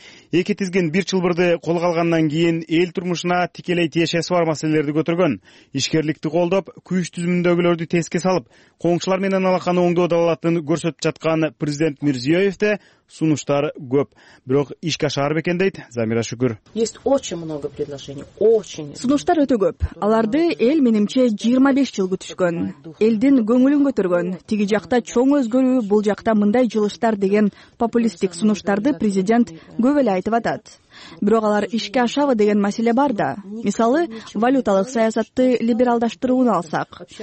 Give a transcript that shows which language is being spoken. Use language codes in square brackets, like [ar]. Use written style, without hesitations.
[ky] Эки тизген бир чылбырды колго алгандан кийин эл турмушуна тикелей тиешеси бар маселелерди көтөргөн, ишкерликти колдоп, күйүш түзүмүндөгүлөрдү теске салып, коңшулар менен алаканы оңдоо далалатын көрсөтүп жаткан президент Мирзиёевде сунуштар көп. Бирок ишке ашар бекен дейт Замира Шүкүр. [ru] Есть очень много предложений, очень. [ky] Сунуштар өтө көп. Аларды эл менимче 25 жыл күтүшкөн. Элдин көңүлүн көтөргөн. Тиги жакта чоң өзгөрүү, бул жакта мындай жылыштар деген популисттик сунуштарды президент көп эле айтып атат. Бирок алар ишке ашабы деген маселе бар да. Мисалы, валюталык саясатты либералдаштырууну алсак.